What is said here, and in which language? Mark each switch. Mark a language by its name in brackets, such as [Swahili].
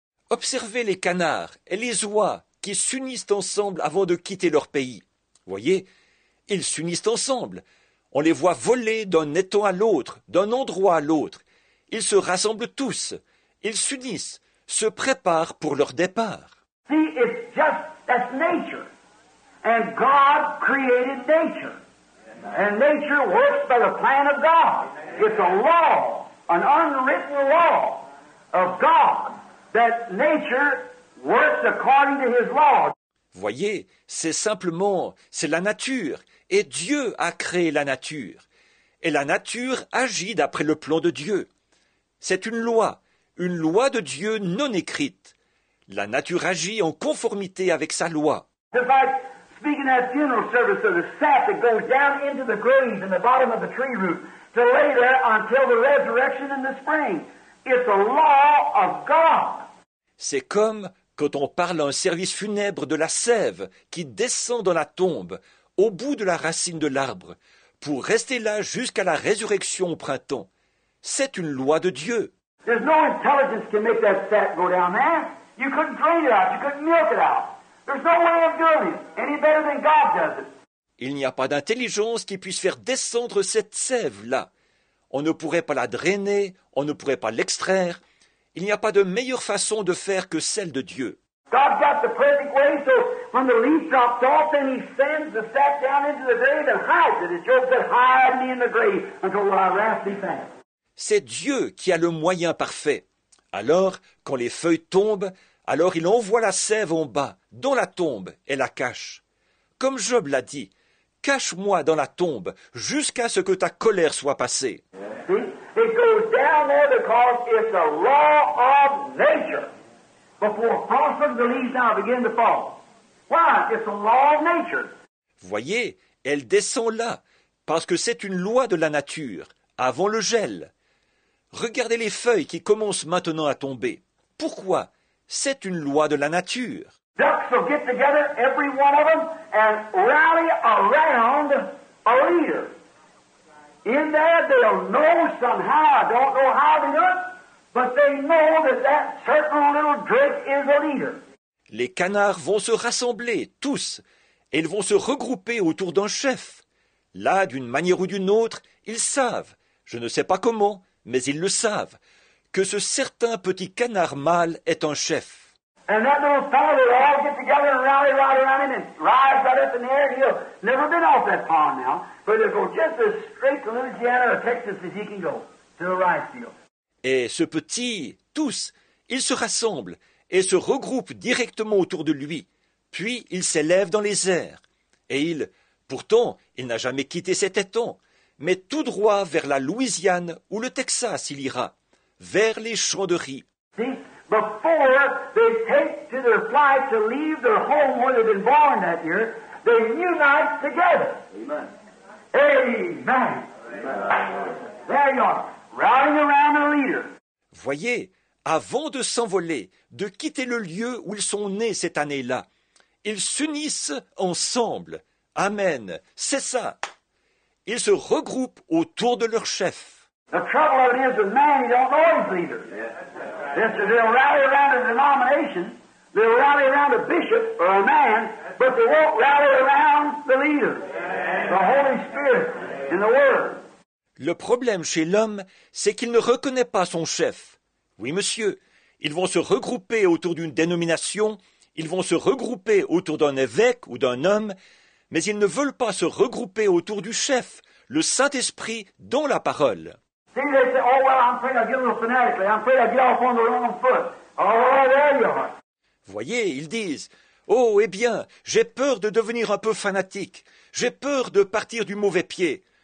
[French] Observez les canards et les oies qui s'unissent ensemble avant de quitter leur pays. Voyez, ils s'unissent ensemble. On les voit voler d'un étang à l'autre, d'un endroit à l'autre. Ils se rassemblent tous. Ils s'unissent, se préparent pour leur départ. [English] See, it's just that's nature. And God created nature. And nature works by the plan of God. It's a law, an unwritten law of God, that nature works according to his law. [French] Voyez, c'est simplement, c'est la nature. Et Dieu a créé la nature. Et la nature agit d'après le plan de Dieu. C'est une loi de Dieu non écrite. La nature agit en conformité avec sa loi. [English] If I speak in that funeral service of the sap that goes down into the grave in the bottom of the tree root to lay there until the resurrection in the spring, it's a law of God. [French] C'est comme quand on parle d'un service funèbre de la sève qui descend dans la tombe, au bout de la racine de l'arbre, pour rester là jusqu'à la résurrection au printemps. C'est une loi de Dieu. [English] There's no intelligence to make that sap go down there. You couldn't drain it out, you couldn't milk it out. There's no way of doing it any better than God does it. [French] Il n'y a pas d'intelligence qui puisse faire descendre cette sève-là. On ne pourrait pas la drainer, on ne pourrait pas l'extraire. Il n'y a pas de meilleure façon de faire que celle de Dieu. [English] God got the perfect way, so when the leaf drops off, then he sends the sap down into the grave and hides it. It's Job said, hide me in the grave until my wrath be fast. [French] C'est Dieu qui a le moyen parfait. Alors, quand les feuilles tombent, alors il envoie la sève en bas, dans la tombe, et la cache. Comme Job l'a dit, « Cache-moi dans la tombe, jusqu'à ce que ta colère soit passée. » [English] It goes down there because it's a law of nature. Before frosting, the leaves now begin to fall. Why? It's a law of nature. [French] Voyez, elle descend là, parce que c'est une loi de la nature, avant le gel. Regardez les feuilles qui commencent maintenant à tomber. Pourquoi? C'est une loi de la nature. [English] Ducks will get together, every one of them, and rally around a leader. In there, they'll know somehow, I don't know how they do it, but they know that that certain little drake is a leader. [French] Les canards vont se rassembler, tous, et ils vont se regrouper autour d'un chef. Là, d'une manière ou d'une autre, ils savent, je ne sais pas comment, mais ils le savent, que ce certain petit canard mâle est un chef. [English] And that little fellow will all get together and rally right around him and rise right up in the air. He'll never been off that pond now, but he'll go just as straight to Louisiana or Texas as he can go, to the rice field. [French] Et ce petit, tous, ils se rassemblent et se regroupent directement autour de lui. Puis il s'élève dans les airs. Et il, pourtant, il n'a jamais quitté cet étang, mais tout droit vers la Louisiane ou le Texas il ira, vers les champs de riz. [English] See, before they take to their flight to leave their home where they've been born that year, they unite together. Amen. Amen. Amen. There you are. Rallying around a leader. [French] Voyez, avant de s'envoler, de quitter le lieu où ils sont nés cette année-là, ils s'unissent ensemble. Amen. C'est ça. Ils se regroupent autour de leur chef. [English] The trouble of it is with man, you don't know his leader. Yes. They'll rally around a denomination, they'll rally around a bishop or a man, but they won't rally around the leader, the Holy Spirit in the Word. [French] Le problème chez l'homme, c'est qu'il ne reconnaît pas son chef. Oui, monsieur, ils vont se regrouper autour d'une dénomination, ils vont se regrouper autour d'un évêque ou d'un homme, mais ils ne veulent pas se regrouper autour du chef, le Saint-Esprit, dans la parole. [English] See, they say, oh, well, I'm afraid I'll get a little fanatically. I'm afraid I'll get off on the wrong foot. Oh, there you are. [French] Voyez, ils disent, oh, eh bien, j'ai peur de devenir un peu fanatique. J'ai peur de partir du mauvais pied.